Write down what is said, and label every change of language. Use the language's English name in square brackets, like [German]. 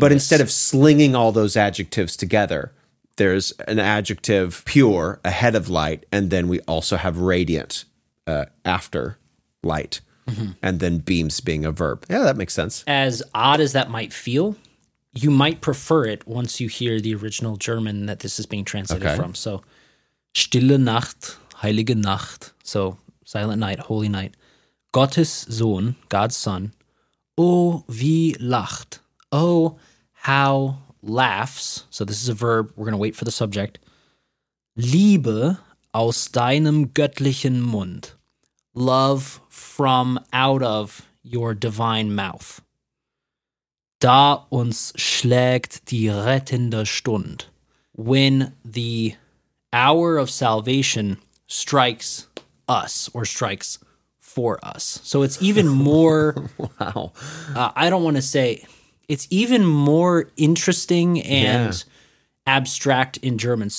[English] But instead of slinging all those adjectives together, there's an adjective pure ahead of light, and then we also have radiant after light. Mm-hmm. And then beams being a verb. Yeah, that makes sense. As odd as that might feel, you might prefer it once you hear the original German that this is being translated from. [German] So, Stille Nacht, Heilige Nacht. [English] So, Silent Night, Holy Night. [German] Gottes Sohn, [English] God's Son. [German] Oh, wie lacht. [English] Oh, how laughs. So, this is a verb. We're going to wait for the subject. [German] Liebe aus deinem göttlichen Mund. [English] Love from out of your divine mouth. [German] Da uns schlägt die rettende Stund. [English] When the hour of salvation strikes us, or strikes for us. So it's even more... Wow. I don't want to say... It's even more interesting and abstract in German.